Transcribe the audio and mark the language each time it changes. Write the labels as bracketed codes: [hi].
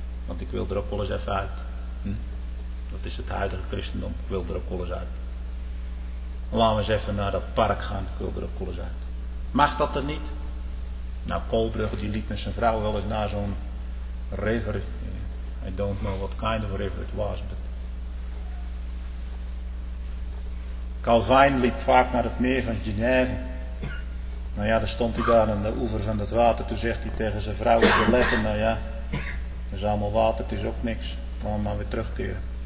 [nl] Want ik wil er ook wel eens even uit. Dat is het huidige christendom. Ik wil er ook wel eens uit. Laten we eens even naar dat park gaan. Ik wil er ook wel eens uit. Mag dat er niet? Nou, Koolbrugge die liep met zijn vrouw wel eens naar zo'n river. [en] I don't know what kind of river it was. But... [nl] Calvin liep vaak naar het meer van Genève. Nou ja, dan stond hij daar aan de oever van het water. Toen zegt hij tegen zijn vrouw te letten. Nou ja, dat is allemaal water, het is ook niks. Laten we maar weer terugkeren.